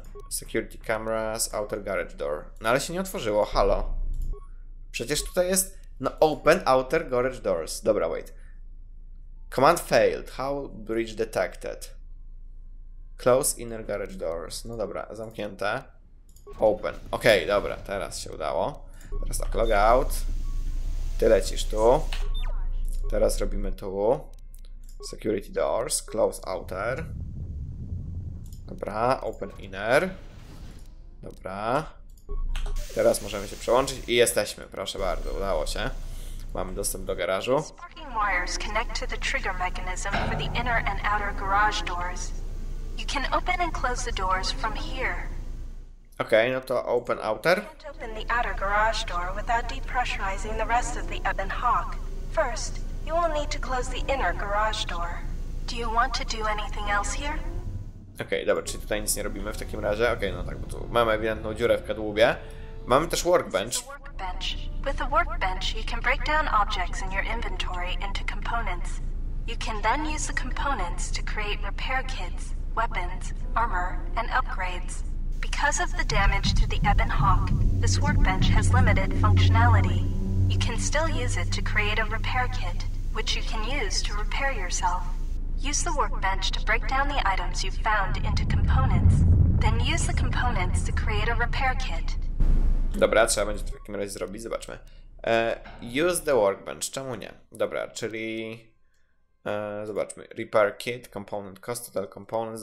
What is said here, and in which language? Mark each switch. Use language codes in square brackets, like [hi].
[en] Security cameras, outer garage door. [pl] No ale się nie otworzyło, halo. Przecież tutaj jest... No, [en] open outer garage doors. [pl] Dobra, [en] wait. Command failed. How bridge detected? Close inner garage doors. [pl] No dobra, zamknięte. Open. Okej, dobra, teraz się udało. Teraz tak, [en] log out. [pl] Ty lecisz tu. Teraz robimy tu. [en] Security doors, close outer. [pl] Dobra, [en] open inner. Dobra. [pl] Teraz możemy się przełączyć i jesteśmy, proszę bardzo, udało się. Mamy dostęp do garażu. [en] Sparking wires connect to the trigger mechanism for the inner and outer garage doors. You can open and close the doors from here. [pl] Okej, no to [en] open outer. You can't open the outer garage door without depressurizing the rest of the Ebon Hawk. First, you will need to close the inner garage door. Do you want to do anything else here? [pl] Okej, dobra, czyli tutaj nic nie robimy w takim razie. Okej, no tak, bo tu mamy ewidentną dziurę w kadłubie. Mamy też workbench. [en] With a workbench, you can break down objects in your inventory into components. You can then use the components to create repair kits, weapons, armor, and upgrades. Because of the damage to the Ebon Hawk, this workbench has limited functionality. You can still use it to create a repair kit, which you can use to repair yourself. Use the workbench to break down the items you've found into components. Then use the components to create a repair kit. [pl] Dobra, trzeba będzie to w takim razie zrobić, zobaczmy. [en] Use the workbench, [pl] czemu nie? Dobra, czyli... zobaczmy, [en] repair kit, component cost, total components.